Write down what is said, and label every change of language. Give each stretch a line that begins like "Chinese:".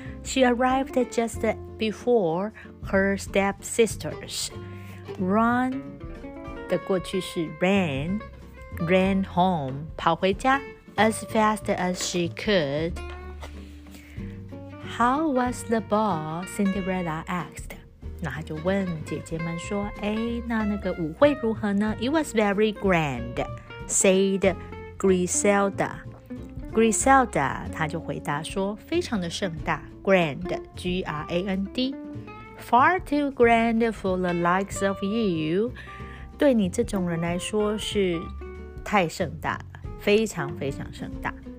English: She arrived just before her stepsisters.
Chinese: Run 的过去式
English: ran home，
Chinese: 跑回家。
English: As fast as she couldHow was the ball? Cinderella asked.
Chinese: 那她就问姐姐们说，哎，那个舞会如何呢？
English: It was very grand, said Griselda.
Chinese: Griselda, 她就回答说，非常的盛大， grand, G-R-A-N-D.
English: Far too grand for the likes of you.
Chinese: 对你这种人来说是太盛大了，非常非常盛大。